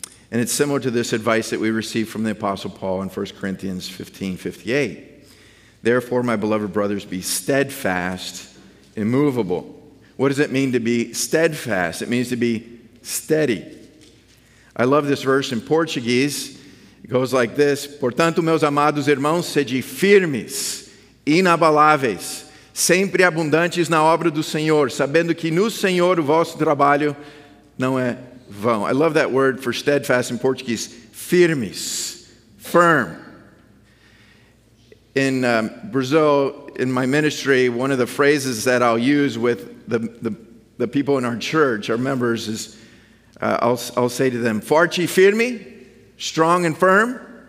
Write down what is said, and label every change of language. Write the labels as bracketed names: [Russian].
[English] And it's similar to this advice that we received from the Apostle Paul in 1 Corinthians 15:58. Therefore, my beloved brothers, be steadfast, immovable. What does it mean to be steadfast? It means to be steady. I love this verse in Portuguese. It goes like this. [Portuguese] Portanto, meus amados irmãos, sede firmes, inabaláveis, sempre abundantes na obra do Senhor, sabendo que no Senhor o vosso trabalho não é vão. [English] I love that word for steadfast in Portuguese, firmes, firm. In Brazil, in my ministry, one of the phrases that I'll use with the people in our church, our members, is I'll say to them, [Portuguese] forte e firme, [English] strong and firm.